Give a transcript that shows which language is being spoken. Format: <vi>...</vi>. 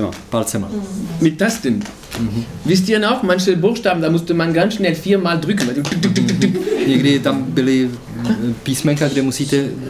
<cs>Palcema.</cs> <de>Mit Tasten. Wisst ihr noch, manche Buchstaben, da musste man ganz schnell viermal drücken.</de> <cs>Někdy tam byly písmenka, kde musíte</cs>